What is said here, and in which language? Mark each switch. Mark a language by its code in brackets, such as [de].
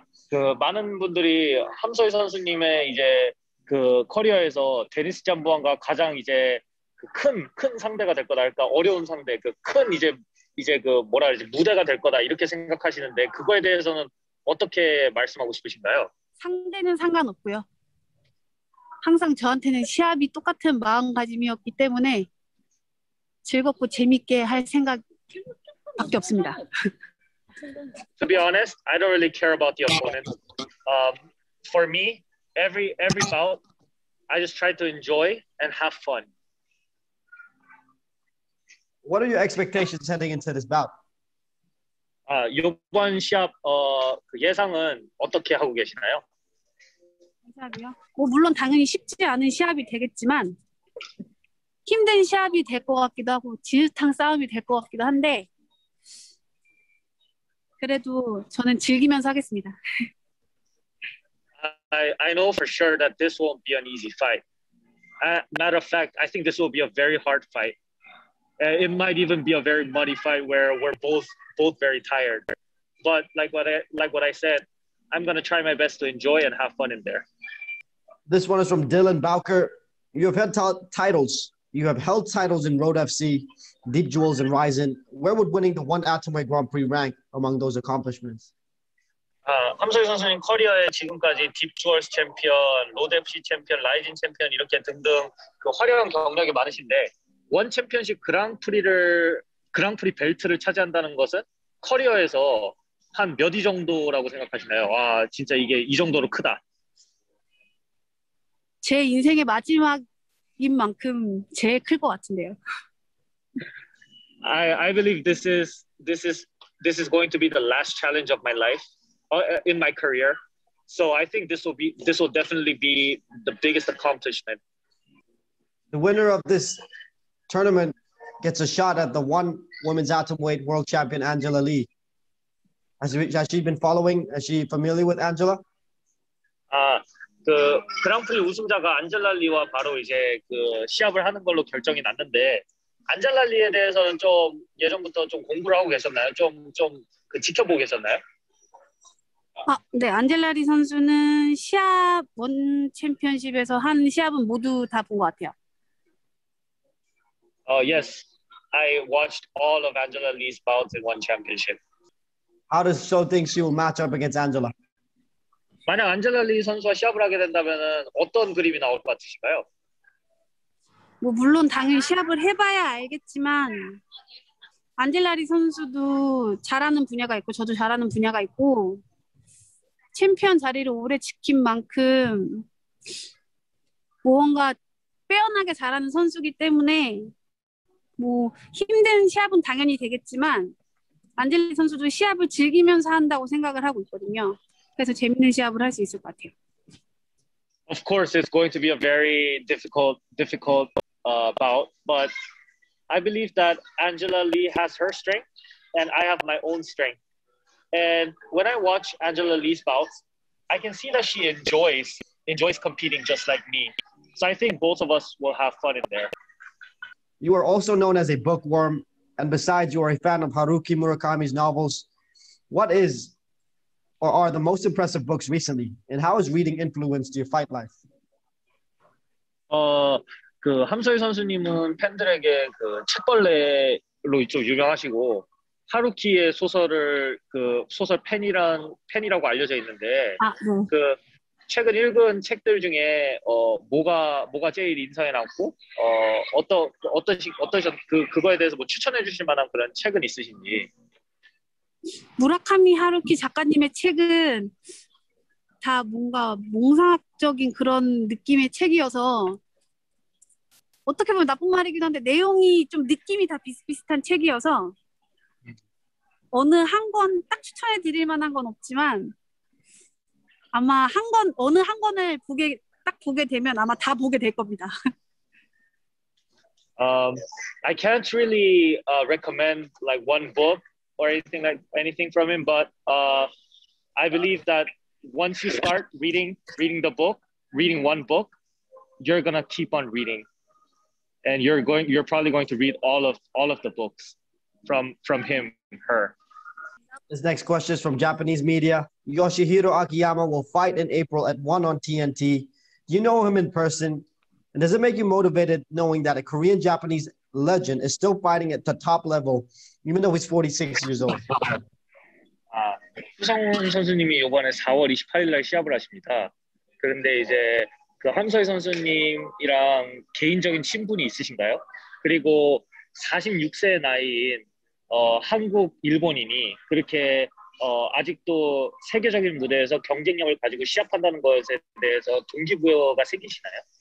[ko] 그 많은 분들이 함소희 선수님의 이제 그 커리어에서 데니스 잠보안과 가장 이제 그 큰 상대가 될 거다, 그러니까 어려운 상대, 그 큰 이제 그 뭐라 그러지, 무대가 될 거다 이렇게 생각하시는데 그거에 대해서는 어떻게 말씀하고 싶으신가요? 상대는 상관없고요. 항상 저한테는 시합이 똑같은 마음가짐이었기 때문에 즐겁고 재밌게 할 생각밖에 없습니다. [en] To be honest, I don't really care about the opponent. For me, every bout, I just try to enjoy and have fun. What are your expectations heading into this bout? [ko] 이번 시합 예상은 어떻게 하고 계시나요? 시합이요? 뭐 물론 당연히 쉽지 않은 시합이 되겠지만 힘든 시합이 될 것 같기도 하고 진흙탕 싸움이 될 것 같기도 한데 그래도 저는 즐기면서 하겠습니다. [en] I know for sure that this won't be an easy fight. Matter of fact, I think this will be a very hard fight. It might even be a very muddy fight where we're both very tired. But like what I said, I'm going to try my best to enjoy and have fun in there. This one is from Dylan Bowker. You have had titles. You have held titles in Road FC, Deep Jewels, and Ryzen. Where would winning the one Atomweight Grand Prix rank among those accomplishments? [ko] 함소희 선수님 커리어에 지금까지 Deep Jewels 챔피언, Road FC 챔피언, Ryzen 챔피언 이렇게 등등 그 화려한 경력이 많으신데 원 챔피언십 그랑프리 벨트를 차지한다는 것은 커리어에서 한 몇 위 정도라고 생각하시나요? 와, 진짜 이게 이 정도로 크다. 제 인생의 마지막인 만큼 제일 클 것 같은데요. [en] I believe this is going to be the last challenge of my life in my career. So I think this will definitely be the biggest accomplishment. The winner of this tournament gets a shot at the one women's atomweight world champion Angela Lee. Has she been following? Is she familiar with Angela? [ko] 그 그랑프리 우승자가 안젤라 리와 바로 이제 그 시합을 하는 걸로 결정이 났는데 안젤라 리에 대해서는 좀 예전부터 좀 공부를 하고 계셨나요? 좀 그 지켜보고 계셨나요? 네, 안젤라 리 선수는 시합 원 챔피언십에서 한 시합은 모두 다 본 것 같아요. [en] Yes, I watched all of Angela Lee's bouts in one championship. How does So think she will match up against Angela? [ko] 만약 안젤라 리 선수와 시합을 하게 된다면은 어떤 그림이 나올 것 같으실까요? 뭐 물론 당연히 시합을 해봐야 알겠지만 안젤라 리 선수도 잘하는 분야가 있고 저도 잘하는 분야가 있고 챔피언 자리를 오래 지킨 만큼 뭔가 빼어나게 잘하는 선수이기 때문에 뭐 힘든 시합은 당연히 되겠지만 안젤라 리 선수도 시합을 즐기면서 한다고 생각을 하고 있거든요. 그래서 재밌는 시합을 할 수 있을 것 같아요. [en] Of course, it's going to be a very difficult bout, but I believe that Angela Lee has her strength, and I have my own strength. And when I watch Angela Lee's bouts, I can see that she enjoys competing just like me. So I think both of us will have fun in there. You are also known as a bookworm, and besides, you are a fan of Haruki Murakami's novels. What is or are the most impressive books recently? And how has reading influenced your fight life? [ko] 그 함서희 선수님은 팬들에게 그 책벌레로 좀 유명하시고 하루키의 소설을 그 소설 팬이라고 알려져 있는데 아, 네. 그 최근 읽은 책들 중에 뭐가 제일 인상에 남고 어떠신 그거에 대해서 뭐 추천해 주실 만한 그런 책은 있으신지? 무라카미 하루키 작가님의 책은 다 뭔가 몽상학적인 그런 느낌의 책이어서 어떻게 보면 나쁜 말이기도 한데 내용이 좀 느낌이 다 비슷비슷한 책이어서 어느 한 권 딱 추천해 드릴 만한 건 없지만 아마 한 권 어느 한 권을 보게 되면 아마 다 보게 될 겁니다. [en] I can't really recommend like one book or anything from him, but I believe that once you start reading one book, you're gonna keep on reading, and you're probably going to read all of the books from him, her. This next question is from Japanese media. Yoshihiro Akiyama will fight in April at 1 on TNT. Do you know him in person? And does it make you motivated knowing that a Korean-Japanese legend is still fighting at the top level, even though he's 46 years old? [ko] 수성훈 선수님이 이번에 4월 28일 날 시합을 하십니다. 그런데 이제 그 함서희 선수님이랑 개인적인 친분이 있으신가요? 그리고 46세의 나이인 한국 일본인이 그렇게 아직도 세계적인 무대에서 경쟁력을 가지고 시합한다는 것에 대해서 동기부여가 생기시나요?